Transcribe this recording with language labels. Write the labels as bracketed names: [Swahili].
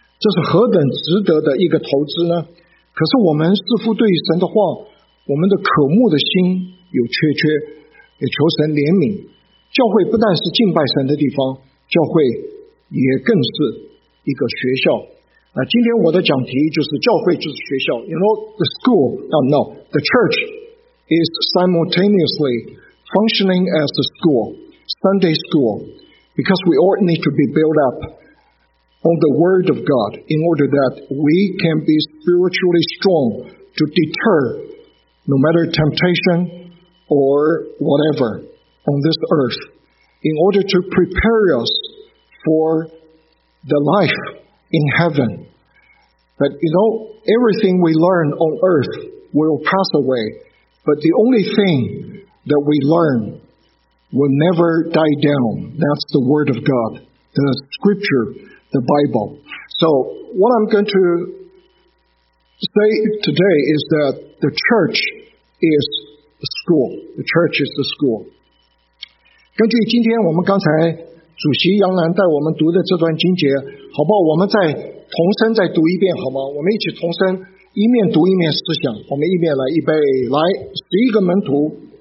[Chinese] 这是何等值得的一个投资呢？可是我们似乎对神的话，我们的渴慕的心有缺缺，也求神怜悯。教会不但是敬拜神的地方，教会也更是一个学校。那今天我的讲题就是教会就是学校。 [English] You know, the school, no, the church is simultaneously functioning as a school, Sunday school, because we all need to be built up on the word of God in order that we can be spiritually strong to deter no matter temptation or whatever on this earth, in order to prepare us for the life in heaven. But you know, everything we learn on earth will pass away, but the only thing that we learn will never die down. That's the word of God, the scripture, the Bible. So what I'm going to say today is that the church is the school. The church is the school. [Chinese] 根据今天我们刚才主席杨澜带我们读的这段经节，好不好？我们再同声再读一遍好吗？我们一起同声，一面读一面思想。我们一面来，预备，来，11个门徒。